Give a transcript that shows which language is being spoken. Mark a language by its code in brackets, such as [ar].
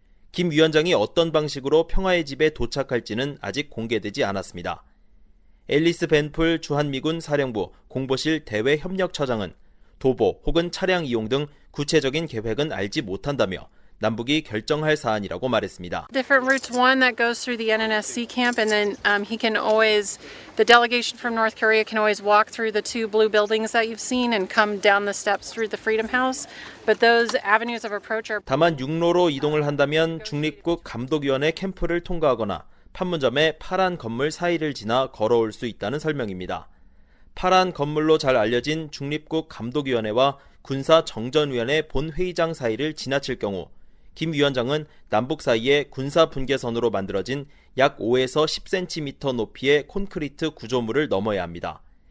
[ko] 김 위원장이 어떤 방식으로 평화의 집에 도착할지는 아직 공개되지 않았습니다. 앨리스 벤풀 주한미군 사령부 공보실 대외협력처장은 도보 혹은 차량 이용 등 구체적인 계획은 알지 못한다며 남북이 결정할 사안이라고 말했습니다. [en] Different routes, one that goes through the NNSC camp, and then he can always, the delegation from North Korea can always walk through the two blue buildings that you've seen and come down the steps through the Freedom House. But those avenues of approach are [ko] 다만 육로로 이동을 한다면 중립국 감독위원회 캠프를 통과하거나 판문점의 파란 건물 사이를 지나 걸어올 수 있다는 설명입니다. 파란 건물로 잘 알려진 중립국 감독위원회와 군사정전위원회 본회의장 사이를 지나칠 경우 김 위원장은 남북 사이에 군사 분계선으로 만들어진 약 5에서 10cm 높이의 콘크리트 구조물을 넘어야 합니다.